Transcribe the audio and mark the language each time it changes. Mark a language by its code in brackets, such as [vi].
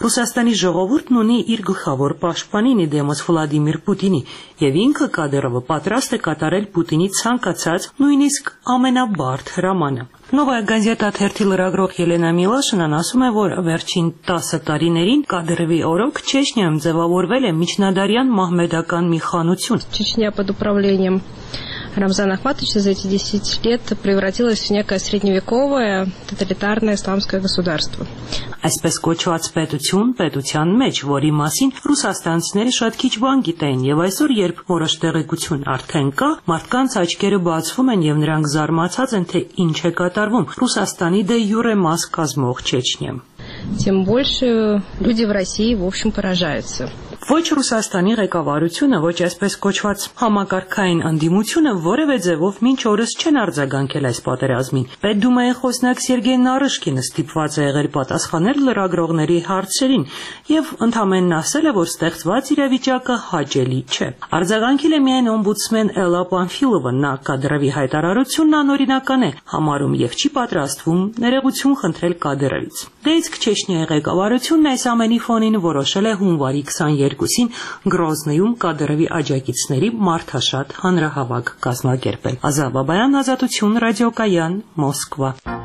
[hy] Ռուսաստանի ժողովուրդն ունի իր գլխավոր պաշտպանին, դեմոս Վլադիմիր Պուտինի, և ինքը Կադիրովը պատրաստ է կատարել Պուտինի ցանկացած, նույնիսկ ամենաբարդ հրամանը։ Նովայա գազետա թերթի լրագրող Ելենա Միլաշինան ասում է, որ վերջին 10 տարիներին Կադիրովի օրոք Չեչնիայում ձևավորվել է միջնադարյան մահմեդական մի խանություն։ [ru] Չեչնիա под управлением Рамзана Ахматовича за эти 10 лет превратилось в некое средневековое тоталитарное исламское государство. [hy] Այսպես կոչված պետություն, պետության մեջ, որի մասին ռուսաստանցիները շատ քիչ բան գիտեն, եւ այսօր, երբ որոշ տեղեկություն արդեն կա, մարդկանց աչքերը բացվում են եւ նրանք զարմացած են, թե ինչ է կատարվում Ռուսաստանի դե յուրե մաս կազմող Չեչնիայում։ [ru] Тем больше люди в России, в общем, поражаются. [hy] Ոչ Ռուսաստանի ղեկավարությունը, ոչ այսպես կոչված համակարգային անդիմությունը որևէ ձևով մինչ օրս չեն արձագանքել այս պատերազմին։ Պետդումայի խոսնակ Սերգեյ Նարիշկինը ստիպված է եղել պատասխանել լրագրողների հարցերին և ընդհանրապես ասել է, որ ստեղծված իրավիճակը հաճելի չէ։ Արձագանքել է միայն օմբուդսմեն Էլա Պանֆիլովը, նա Կադիրովի հայտարարությունն անօրինական է համարում և չի պատրաստվում ներողություն խնդրել Կադիրովից։ Դեիցք Չեչնիայի ղեկավարությունն այս ամենի ֆոնին որոշել է հունվարի 22-ին Գրոզնիում Կադիրովի աջակիցների մարդաշատ հանրահավաք կազմակերպել։ Ազա Բաբայան, Ազատություն, Ռադիոկայան, Մոսկվա։